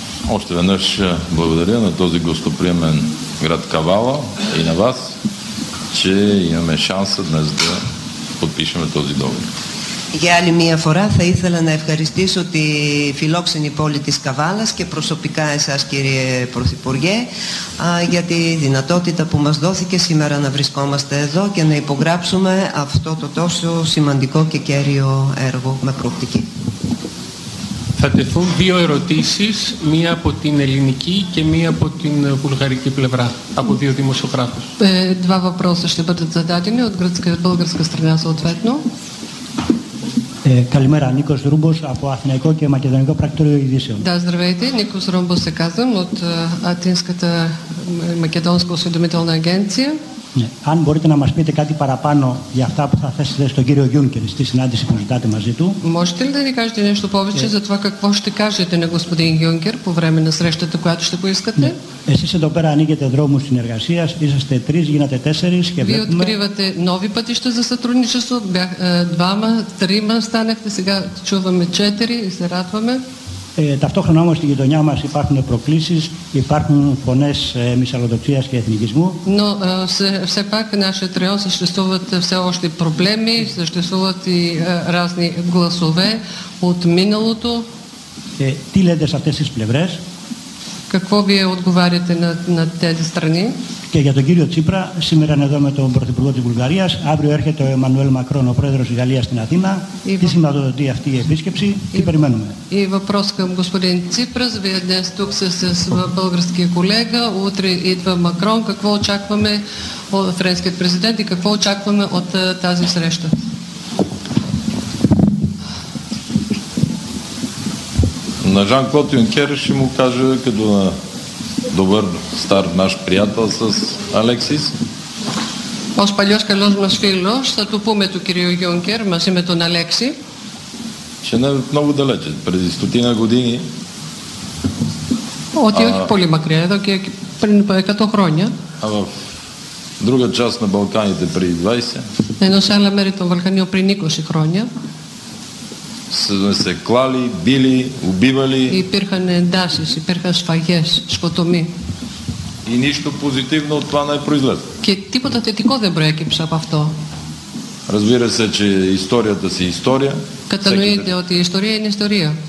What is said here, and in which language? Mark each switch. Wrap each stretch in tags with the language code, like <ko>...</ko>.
<bg>Още веднъж благодаря на този гостоприемен град Кавала и на вас, че имаме шанса днес да подпишем този договор.</bg> <el>Για άλλη μία φορά θα ήθελα να ευχαριστήσω τη φιλόξενη πόλη της Καβάλας και προσωπικά εσάς κύριε Πρωθυπουργέ για τη δυνατότητα που μας δόθηκε σήμερα να βρισκόμαστε εδώ και να υπογράψουμε αυτό το τόσο σημαντικό και κέριο έργο με προοπτική. Θα τεθούν δύο ερωτήσεις, μία από την ελληνική και μία από την βουλγαρική πλευρά, από δύο δημοσιογράφους.</el> <bg>Два вопроса ще бъдат зададени от българска страна съответно.</bg> <el>Καλημέρα, Νίκος Ρούμπος από Αθηναϊκό και Μακεδονικό Πρακτορείο Ειδήσεων.</el> <bg>Да, здравейте, Νίκος Ρούμπος се казвам от Атинската Македонска осведомителна агенция.</bg> <el>Ναι. Αν μπορείτε να μας πείτε κάτι παραπάνω για αυτά που θα θέσετε στον κύριο Γιούνκερ στη συνάντηση που ζητάτε μαζί του. Μπορείτε</el> <bg>ли да ни кажете нещо повече за това какво ще кажете на господин Γιούνκερ по време на срещата, която ще поискате?</bg> <el>Εσείς εδώ πέρα ανοίγετε δρόμους συνεργασίας, είσαστε τρεις, γίνατε τέσσερις και βλέπουμε...</el> <bg>Βίω откривате нови пътища за сътрудничество, двама, трима станахте, сега чуваме четири и се радваме.</bg> <el>Ταυτόχρονα όμως στη γειτονιά μας υπάρχουν προκλήσεις, υπάρχουν φωνές μισαλλοδοξίας και εθνικισμού.</el> <bg>Но все пак в нашия район съществуват все още проблеми, съществуват и разни гласове от миналото.</bg> <el>Τι λέτε σε αυτές τις πλευρές?</el> <bg>Какво Вие отговаряте на, на тези страни?</bg> <el>Και για τον κύριο Τσίπρα, σήμερα είναι εδώ με τον Πρωθυπουργό της Βουλγαρίας, αύριο έρχεται ο Εμμανουέλ Μακρόν, ο πρόεδρος της Γαλλίας στην Αθήνα. Τι σηματοδοτεί αυτή η επίσκεψη, τι περιμένουμε.</el> <bg>И въпрос към господин Ципрас, Вие днес тук сте с българския колега, утре идва Макрон, какво очакваме от френския президент и какво очакваме от тази среща? На Жан-Клод Юнкер ще му кажа като на добър стар наш приятел с Алексис.</bg> <el>Ως παλιός καλός μας φίλος, θα του πούμε του κύριου Γιούνκερ μαζί με τον Αλέξη.</el> <bg>Че не много далече, преди стотина години.</bg> <el>Ότι όχι πολύ μακριά, εδώ και πριν 100 χρόνια.</el> <bg>А в друга част на Балканите преди 20.</bg> <el>Ενώ σε άλλα μέρη των Βαλκανίων πριν 20 χρόνια.</el> <bg>Сме се клали, били, убивали.</bg> <el>Υπήρχαν εντάσεις, υπήρχαν σφαγές, σκοτωμοί.</el> <bg>И нищо позитивно от това не произлезе.</bg> <el>Και τίποτα θετικό δεν προέκυψε από αυτό.</el> <bg>Разбира се, че историята си история.</bg> <el>Κατανοείται ότι η ιστορία είναι ιστορία.</el>